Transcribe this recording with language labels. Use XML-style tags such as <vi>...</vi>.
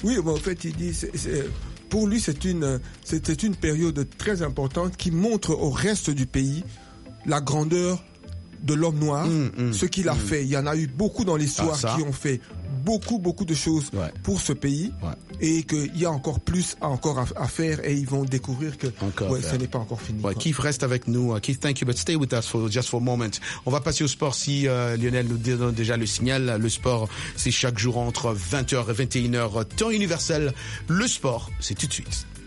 <fr>Oui, mais en fait, il dit, pour lui, c'est une période très importante qui montre au reste du pays la grandeur de l'homme noir, ce qu'il a fait. Il y en a eu beaucoup dans l'histoire qui ont fait beaucoup, beaucoup de choses pour ce pays. Ouais. Et qu'il y a encore plus à faire et ils vont découvrir que ce n'est pas encore fini. Ouais, Keith, reste avec nous.</fr> <en>Keith, thank you, but stay with us just for a moment.</en> <fr>On va passer au sport si Lionel nous donne déjà le signal. Le sport, c'est chaque jour entre 20h et 21h, temps universel. Le sport, c'est tout de suite.</fr>